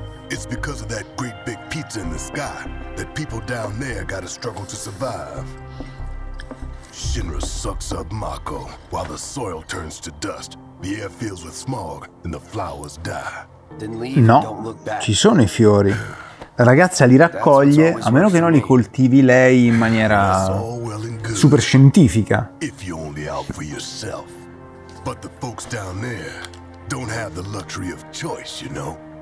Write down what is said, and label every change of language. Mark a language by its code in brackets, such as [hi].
[en] It's because of that great big pizza in the sky that people down there gotta struggle to survive. Shinra sucks up Mako. While the soil turns to dust, the air fills with smog, and the flowers die. Then leave, no, don't look back. [it] Ci sono i fiori. La ragazza li raccoglie, a meno che non li coltivi lei in maniera super scientifica. [en] If you're only out for yourself. But the folks down there don't have the luxury of choice, you know?